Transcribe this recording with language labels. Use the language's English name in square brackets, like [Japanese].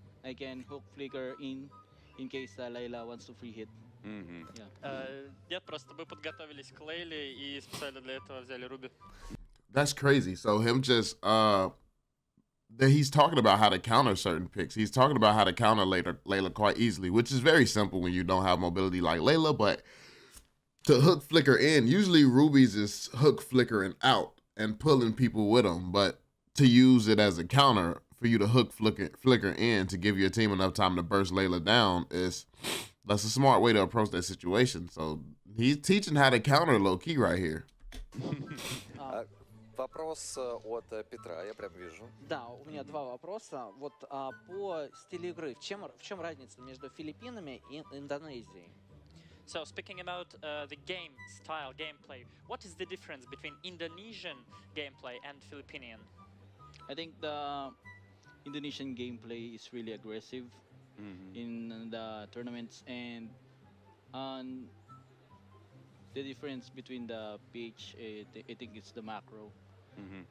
[English] I can hook flicker in case Layla wants to free hit. [Russian] Нет, просто мы подготовились к Лейле и специально для этого взяли Руби. [English] That's crazy. So him just he's talking about how to counter certain picks. He's talking about how to counter Layla quite easily, which is very simple when you don't have mobility like Layla, but to hook flicker in, usually Ruby's is hook flickering out and pulling people with him, but to use it as a counter for you to hook flicker in to give your team enough time to burst Layla down is that's a smart way to approach that situation. So he's teaching how to counter low key right here. [Russian] Вопрос от Петра, я прям вижу. Да, у меня два вопроса. Вот по стилю игры, в чем разница между Филиппинами и Индонезией? [English] So speaking about the game style, gameplay, what is the difference between Indonesian gameplay and Philippinian? I think the Indonesian gameplay is really aggressive mm-hmm. in the tournaments, and the difference between the PH, I think it's the macro. Mm-hmm.